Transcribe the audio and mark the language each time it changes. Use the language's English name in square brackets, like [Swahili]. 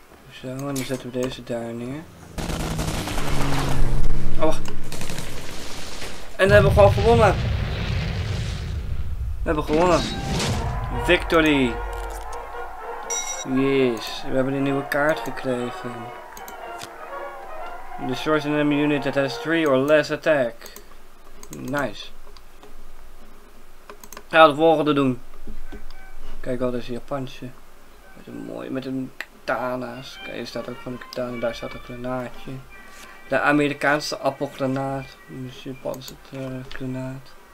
[Dutch] Zo, en dan zetten we deze daar neer. Oh, wacht. En dan hebben we gewoon gewonnen. We hebben gewonnen. [English] Victory. Yes. [Dutch] We hebben een nieuwe kaart gekregen. [English] Destroy an enemy unit that has 3 or less attack. [Dutch] Nice. Gaan we de volgende doen. Kijk al, dat is een Japansje. Met een mooie, met een katana's. Kijk, hier staat ook van een katana. Daar staat een granaatje. De Amerikaanse appelgranaat. De Japanse granaat.